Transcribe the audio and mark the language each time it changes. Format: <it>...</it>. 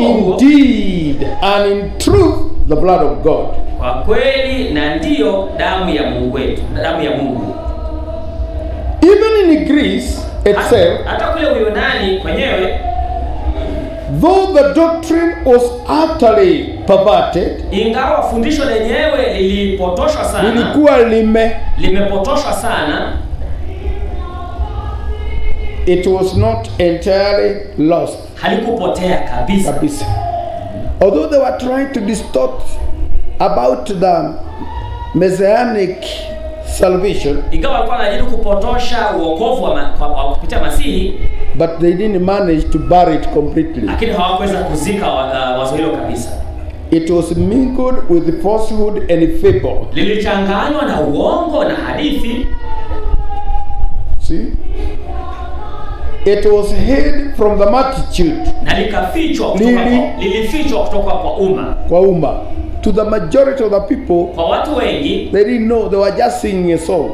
<en>indeed and in truth the blood of God,</en> <sw>kwa kweli na ndio damu ya Mungu wetu, damu ya Mungu.</sw> <en>Even in Greece itself,</en> <sw>hata kule Uyunani kwenyewe,</sw> <en>though the doctrine was utterly perverted,</en> <sw>ingawa fundisho lenyewe lilipotoshwa sana, lilikuwa limepotoshwa sana,</sw> <en>it was not entirely lost.</en> <sw>Halikupotea kabisa. Kabisa.</sw> <en>Although they were trying to distort about the messianic salvation,</en> <sw>ingawa walikuwa wanajaribu kupotosha wokovu wa kupitia Masihi,</sw> <en>but they didn't manage to bury it completely.</en> <sw>Lakini hawakuweza kuzika wazo hilo kabisa.</sw> <en>It was mingled with the falsehood and the fable.</en> <sw>Lilichanganywa na uongo na hadithi.</sw> <en>See? It was hid from the multitude.</en> <sw>Na likafichwa kutoka kwa umma. Kwa umma.</sw> <en>To the majority of the people,</en> <sw>kwa watu wengi,</sw> <en>they didn't know, they were just singing a song.</en>